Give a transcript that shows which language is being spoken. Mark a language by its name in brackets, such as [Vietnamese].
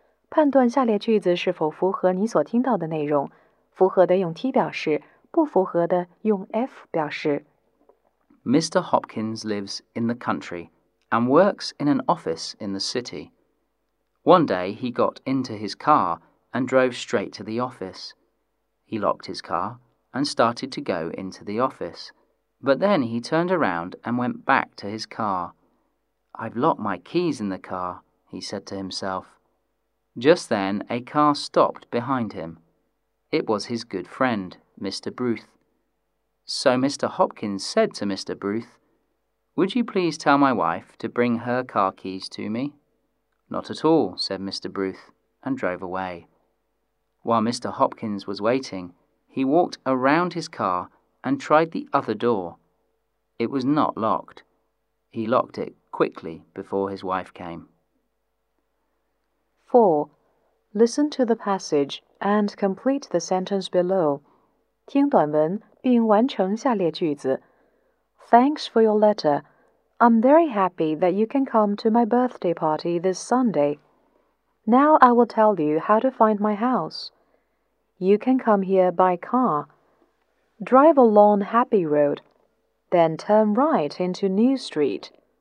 [Chinese] 判断下列句子是否符合你所听到的内容。符合的用 T 表示，不符合的用 F 表示。 [English] Mr. Hopkins lives in the country and works in an office in the city. One day he got into his car and drove straight to the office. He locked his car and started to go into the office. But then he turned around and went back to his car. I've locked my keys in the car, he said to himself. Just then a car stopped behind him. It was his good friend, Mr. Bruth. So Mr. Hopkins said to Mr. Bruth, Would you please tell my wife to bring her car keys to me? Not at all, said Mr. Bruth, and drove away. While Mr. Hopkins was waiting, he walked around his car and tried the other door. It was not locked. He locked it quickly before his wife came. 4. Listen to the passage and complete the sentence below. [Chinese] 听短文并完成下列句子。 [English] Thanks for your letter. I'm very happy that you can come to my birthday party this Sunday. Now I will tell you how to find my house. You can come here by car. Drive along Happy Road, then turn right into New Street.